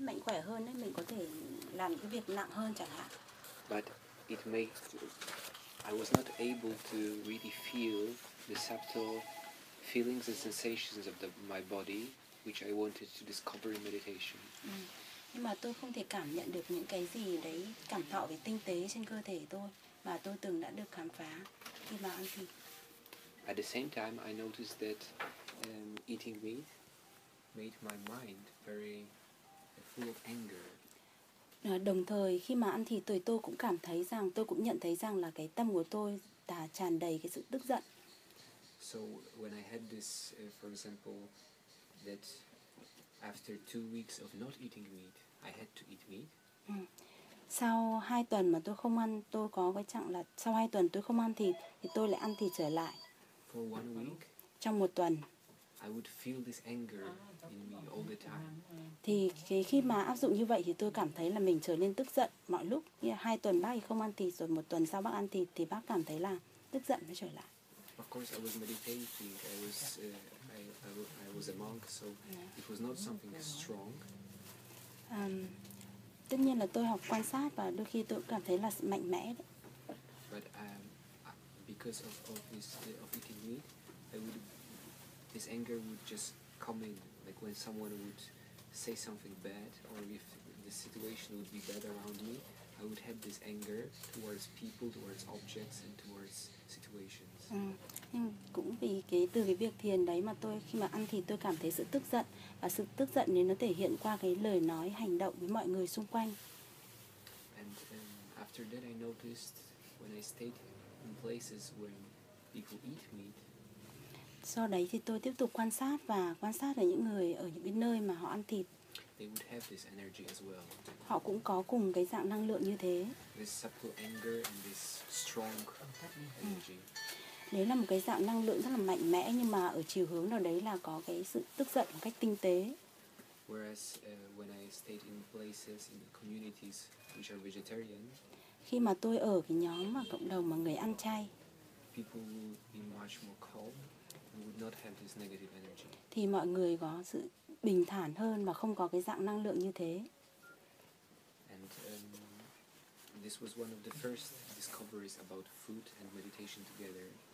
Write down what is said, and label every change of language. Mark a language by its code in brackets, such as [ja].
[vi] khỏe hơn ấy, mình có thể làm cái việc nặng hơn chẳng hạn. [en] But it made I was not able to really feel the subtle feelings and sensations of the my body which I wanted to discover in meditation. [vi] Nhưng mà tôi không thể cảm nhận được những cái gì đấy cảm thọ về tinh tế trên cơ thể tôi mà tôi từng đã được khám phá khi mà ăn thịt. [en] At the same time I noticed that eating meat made my mind very full of anger. [vi] Đồng thời khi mà ăn thịt tôi cũng cảm thấy rằng tôi cũng nhận thấy rằng là cái tâm của tôi đã tràn đầy cái sự tức giận. [en] So when I had this for example that after 2 weeks of not eating meat I had to eat meat. [vi] Sau 2 tuần mà tôi không ăn, tôi có cái trạng là sau 2 tuần tôi không ăn thịt thì tôi lại ăn thịt trở lại. [en] For 1 week. [vi] Trong 1 tuần. [en] I would feel this anger in me all the time. [vi] Thì khi mà áp dụng như vậy thì tôi cảm thấy là mình trở nên tức giận mọi lúc. Như 2 tuần bác thì không ăn thịt rồi 1 tuần sau bác ăn thịt thì bác cảm thấy là tức giận nó trở lại. [en] Of course I was meditating, I was a monk, so it was not something strong. [vi] Tất nhiên là tôi học quan sát và đôi khi tôi cũng cảm thấy là mạnh mẽ đấy. [en] But because of eating meat, this anger would just come in, like when someone would say something bad or if the situation would be bad around me, I would have this anger towards people, towards objects and towards situations. [vi] Nhưng cũng vì từ cái việc thiền đấy mà tôi khi mà ăn thịt tôi cảm thấy sự tức giận và sự tức giận thì nó thể hiện qua cái lời nói hành động với mọi người xung quanh. [en] And after that I noticed when I stayed in places where people eat meat. [vi] Sau đấy thì tôi tiếp tục quan sát ở những người ở những cái nơi mà họ ăn thịt. [en] They would have this energy as well. [vi] Họ cũng có cùng cái dạng năng lượng như thế. [en] This subtle anger and this strong energy. [vi] Đấy là một cái dạng năng lượng rất là mạnh mẽ nhưng mà ở chiều hướng nào đấy là có cái sự tức giận một cách tinh tế. [en] Whereas when I stayed in places in the communities which are vegetarian. [vi] Khi mà tôi ở cái nhóm mà cộng đồng mà người ăn chay. [en] People would be much more calm and would not have this negative energy. [vi] Thì mọi người có sự bình thản hơn và không có cái dạng năng lượng như thế. [en] And this was one of the first discoveries about food and meditation together.